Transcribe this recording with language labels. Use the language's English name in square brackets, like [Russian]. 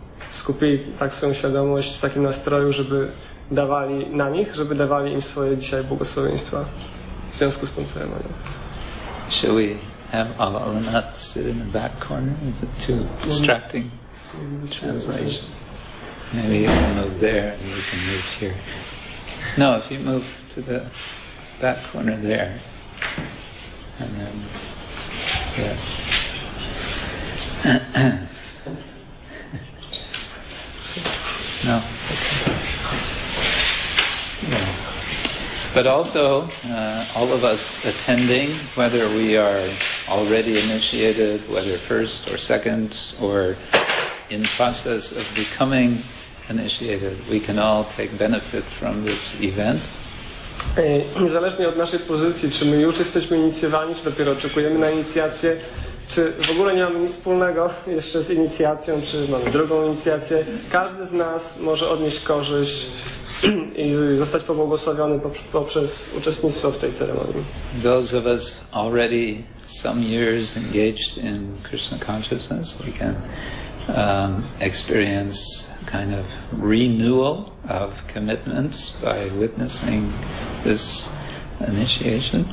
[Polish] Skupili tak swoją świadomość w takim nastroju, żeby dawali na nich, żeby dawali im swoje dzisiaj błogosławieństwa w związku z tą ceremonią. [English] Shall we have Ala Alanat sit in the back corner? Is it too distracting? Translation. Maybe you can move there and you can move here. No, if you move to the back corner there. And then, yes. No, it's okay. Yeah. But also, all of us attending, whether we are already initiated, whether first or second, or in process of becoming initiated, we can all take benefit from this event. [Polish] Niezależnie od naszej pozycji, czy my już jesteśmy inicjowani, czy dopiero oczekujemy na inicjację, czy w ogóle nie mamy nic wspólnego jeszcze z inicjacją, czy mamy drugą inicjację, każdy z nas może odnieść korzyść i zostać pobłogosławiony poprzez uczestnictwo w tej ceremonii. [English] Those of us already some years engaged in Krishna consciousness, we can experience kind of renewal of commitments by witnessing this initiation.